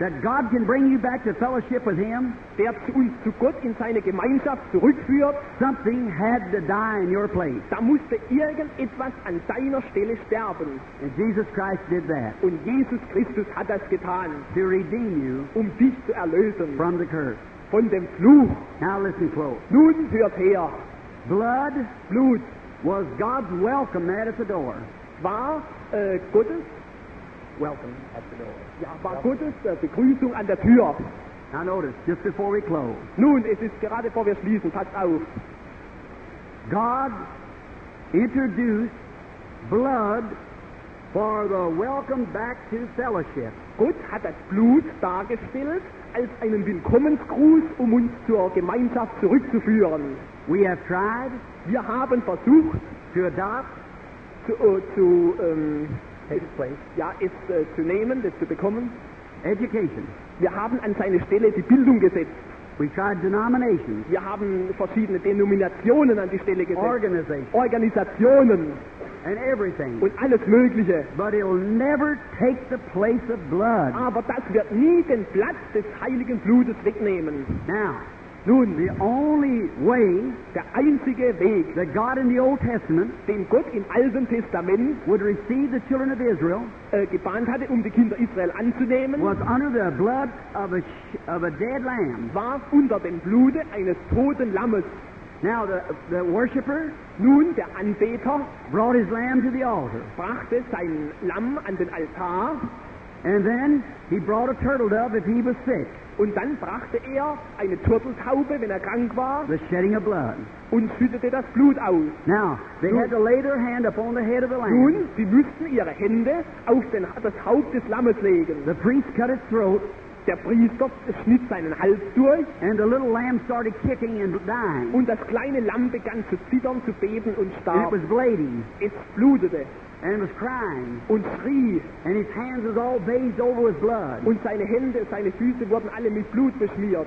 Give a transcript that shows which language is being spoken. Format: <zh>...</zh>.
<en>That God can bring you back to fellowship with him.</en> <de>Der uns zu Gott in seine Gemeinschaft zurückführt.</de> <en>Something had to die in your place.</en> <de>Da musste irgendetwas an deiner Stelle sterben.</de> <en>And Jesus Christ did that.</en> <de>Und Jesus Christus hat das getan.</de> <en>To redeem you.</en> <de>Dich zu erlösen.</de> <en>From the curse.</en> <de>Von dem Fluch.</de> <en>Now listen close.</en> <de>Nun hört her.</de> <en>Blood,</en> <de>Blut,</de> <en>was God's welcome at the door.</en> <de>War Gottes</de> <en>welcome at the door.</en> <de>Ja, war Gottes Begrüßung an der Tür.</de> <en>Now notice, just before we close.</en> <de>Nun, es ist gerade vor wir schließen. Pass auf.</de> <en>God introduced blood for the welcome back to fellowship.</en> <de>Gott hat das Blut dargestellt als einen Willkommensgruß, uns zur Gemeinschaft zurückzuführen.</de> <en>We have tried.</en> <de>Wir haben versucht,</de> <en>to adopt, take place.</en> <de>Ja, es zu nehmen, es zu bekommen.</de> <en>Education.</en> <de>Wir haben an seine Stelle die Bildung gesetzt.</de> <en>We tried denominations.</en> <de>Wir haben verschiedene Denominationen an die Stelle gesetzt.</de> <en>Organisationen. And everything.</en> <de>Und alles Mögliche.</de> <en>But it'll never take the place of blood.</en> <de>Aber das wird nie den Platz des heiligen Blutes wegnehmen.</de> <en>Now,</en> <de>Nun,</de> <en>the only way,</en> <de>der einzige Weg,</de> <en>that God in the Old Testament,</en> <de>den Gott im Alten Testament,</de> <en>would receive the children of Israel,</en> <de>gebannt hatte, die Kinder Israel anzunehmen,</de> <en>was under the blood of a dead lamb.</en> <de>War unter dem Blute eines toten Lammes.</de> <en>Now the worshipper,</en> <de>nun der Anbeter,</de> <en>brought his lamb to the altar,</en> <de>brachte sein Lamm an den Altar,</de> <en>and then he brought a turtle dove if he was sick.</en> <de>Und dann brachte eine Turteltaube, wenn krank war,</de> <en>the shedding of blood.</en> <de>Und schüttete das Blut aus.</de> <en>Now they had to lay their hand upon the head of the lamb.</en> <de>Nun, sie müssten ihre Hände auf das Haupt des Lammes legen.</de> <en>The priest cut its throat.</en> <de>Der Priester schnitt seinen Hals durch.</de> <en>And the little lamb started kicking and dying.</en> <de>Und das kleine Lamm begann zu zittern, zu beben und starb.</de> <en>It was bleeding.</en> <de>Es blutete.</de> <en>And was crying.</en> <de>Und schrie.</de> <en>And his hands was all bathed over with blood.</en> <de>Und seine Hände, seine Füße wurden alle mit Blut beschmiert.</de>